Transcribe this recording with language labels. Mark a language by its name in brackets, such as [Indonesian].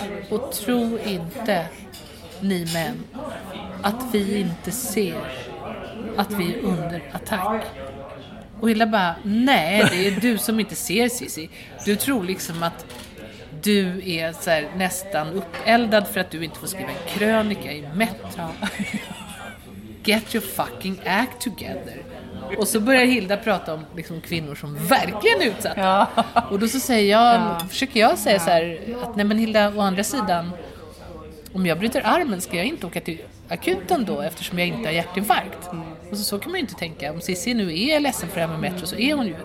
[Swedish] Och tro inte, ni män, att vi inte ser att vi är under attack. Och Hilda bara, nej, det är du som inte ser, Cissi. Du tror liksom att du är så här nästan uppeldad för att du inte får skriva en krönika i Metro. [English] Get your fucking act together. [Swedish] Och så börjar Hilda prata om liksom kvinnor som verkligen är utsatta. Ja. Och då så säger jag, försöker jag säga så här, att nej men Hilda, å andra sidan, om jag bryter armen ska jag inte åka till akuten då eftersom jag inte har hjärtinfarkt. Mm. Och så kan man ju inte tänka, om Cissi nu är ledsen för det här med Metro så är hon ju.